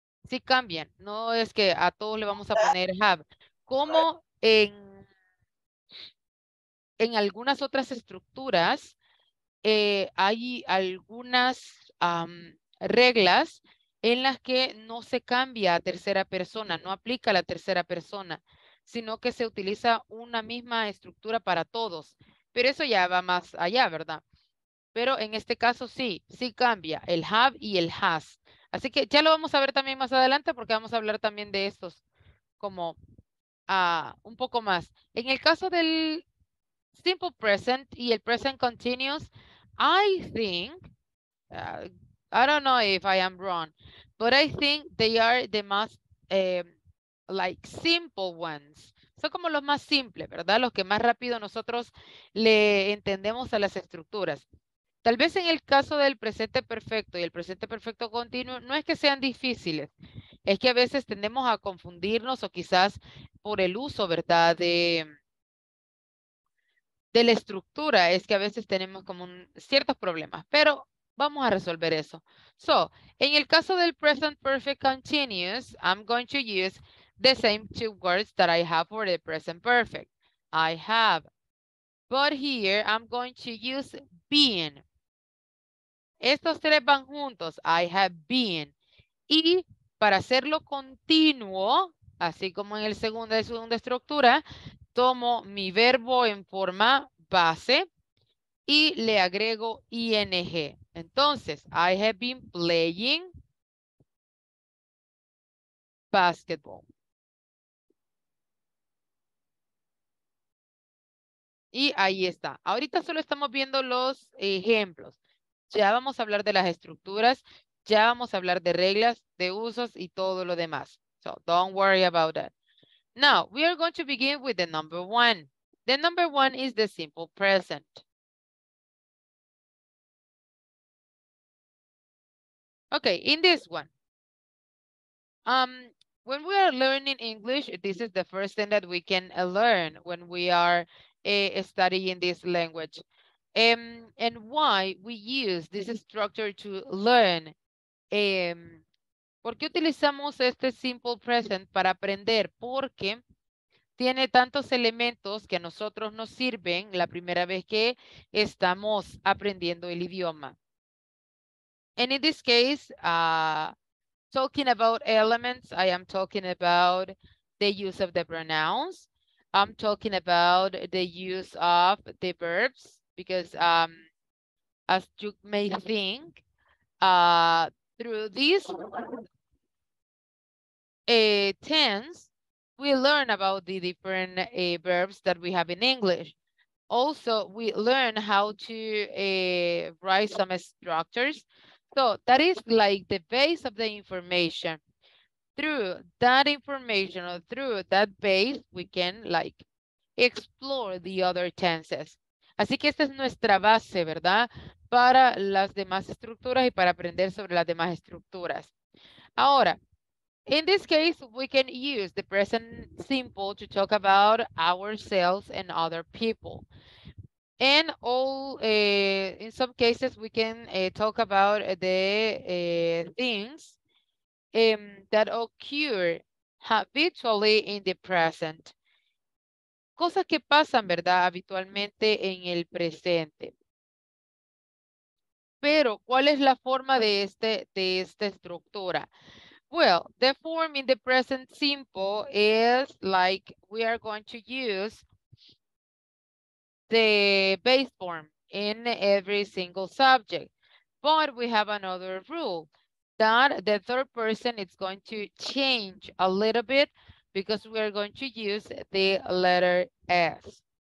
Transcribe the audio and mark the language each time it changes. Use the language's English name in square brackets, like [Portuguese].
[Spanish] Sí cambian, no es que a todos le vamos a poner have. Como en algunas otras estructuras hay algunas reglas en las que no se cambia a tercera persona, no aplica a la tercera persona, sino que se utiliza una misma estructura para todos. Pero eso ya va más allá, ¿verdad? Pero en este caso sí cambia el have y el has. Así que ya lo vamos a ver también más adelante porque vamos a hablar también de estos como un poco más. En el caso del simple present y el present continuous, [English] I think, I don't know if I am wrong, but I think they are the most like simple ones. [Spanish] Son como los más simples, ¿verdad? Los que más rápido nosotros le entendemos a las estructuras. Tal vez en el caso del presente perfecto y el presente perfecto continuo, no es que sean difíciles, es que a veces tendemos a confundirnos o quizás por el uso, ¿verdad? De la estructura, es que a veces tenemos como ciertos problemas, pero vamos a resolver eso. [English] So, [Spanish] en el caso del [English] present perfect continuous, I'm going to use the same two words that I have for the present perfect. I have, But here I'm going to use been. [Spanish] Estos tres van juntos. [English] I have been. [Spanish] Y para hacerlo continuo, así como en el segundo de segunda estructura, tomo mi verbo en forma base y le agrego ing. Entonces, [English] I have been playing basketball. [Spanish] Y ahí está. Ahorita solo estamos viendo los ejemplos. Ya vamos a hablar de las estructuras. Ya vamos a hablar de reglas, de usos y todo lo demás. [English] So, don't worry about that. Now, we are going to begin with the number one. The number one is the simple present. Okay, in this one. When we are learning English, this is the first thing that we can learn when we are studying this language. And why we use this structure to learn. [Spanish] ¿Por qué utilizamos este simple present para aprender? Porque tiene tantos elementos que a nosotros nos sirven la primera vez que estamos aprendiendo el idioma. [English] And in this case, talking about elements, I am talking about the use of the pronouns. I'm talking about the use of the verbs, because as you may think, through this tense, we learn about the different verbs that we have in English. Also, we learn how to write some structures. So that is like the base of the information. Through that information or through that base, we can like explore the other tenses. [Spanish] Así que esta es nuestra base, ¿verdad? Para las demás estructuras y para aprender sobre las demás estructuras. Ahora, [English] in this case, we can use the present simple to talk about ourselves and other people. And all, in some cases, we can talk about the things that occur habitually in the present. [Spanish] Cosas que pasan, ¿verdad? Habitualmente en el presente. Pero, ¿cuál es la forma de esta estructura? [English] Well, the form in the present simple is like we are going to use the base form in every single subject. But we have another rule that the third person is going to change a little bit because we are going to use the letter S.